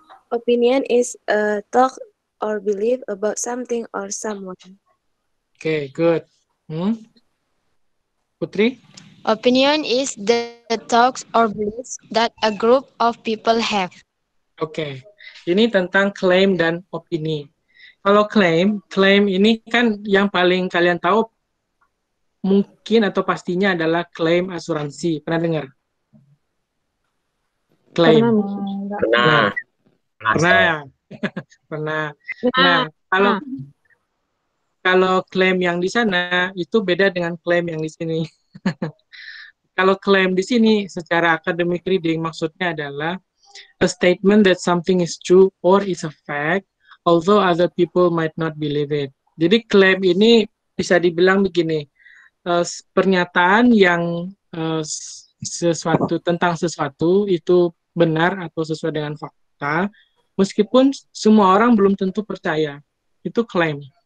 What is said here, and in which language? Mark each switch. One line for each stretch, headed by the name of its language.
English: Opinion is a talk or belief about something or someone. Okay, good. Putri? Opinion is the thoughts or beliefs that a group of people have.
Indonesian: Okay. Ini tentang claim dan opini. kalau claim ini kan yang paling kalian tahu mungkin atau pastinya adalah claim asuransi. Pernah dengar? Claim. Pernah. Nah, kalau claim yang di sana itu beda dengan claim yang di sini. Kalau claim di sini secara academic reading maksudnya adalah
English: a statement that something is true or is a fact, although other people might not believe it.
Indonesian: Jadi claim ini bisa dibilang begini, pernyataan yang sesuatu tentang sesuatu itu benar atau sesuai dengan fakta, meskipun semua orang belum tentu percaya, itu claim.